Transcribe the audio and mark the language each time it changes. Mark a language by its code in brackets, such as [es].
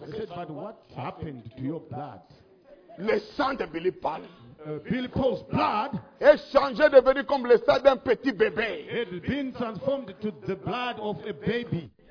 [en] He said, but what happened to your blood? [fr] Le sang de Billy Paul. [en] Billy Paul's blood [fr] est changé, devenu comme le sang d'un petit bébé. [en] Had been transformed to the blood of a baby.